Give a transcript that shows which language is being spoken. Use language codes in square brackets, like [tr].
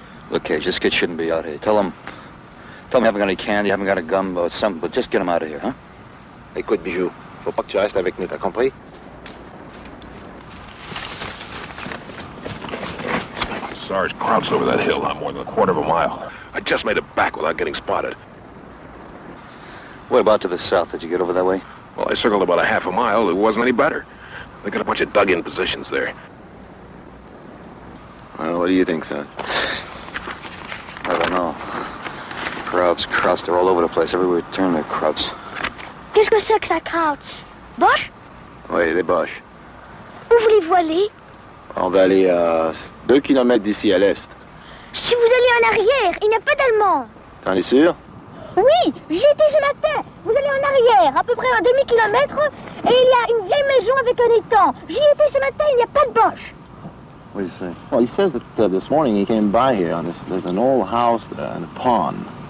[en] Look, Kay, this kid shouldn't be out here. Tell him you haven't got any candy, you haven't got a gumbo, something, but just get him out of here, huh? [fr] Écoute, Bijou, faut pas que tu restes avec nous, t'as compris? [en] Sarge, crouch over that hill, not more than a quarter of a mile. I just made it back without getting spotted. What about to the south? Did you get over that way? Well, I circled about a half a mile. It wasn't any better. They got a bunch of dug-in positions there. Well, what do you think, son? I don't know. Krauts, Krauts, they're all over the place. Everywhere you turn, they're Krauts. [fr] Qu'est-ce que c'est que ça, Krauts? Bosch? Oui, les Bosch. Où vous les voyez? On va aller à 2 kilomètres d'ici à l'est. Si vous allez en arrière, il n'y a pas d'Allemands. T'en es sûr? Oui, j'y étais ce matin. Vous allez en arrière, à peu près à 2 kilomètres, et il y a une vieille maison avec un étang. J'y étais ce matin, il n'y a pas de Bosch. [en] What do you think? Well, he says that this morning he came by here, and there's an old house there and a pond.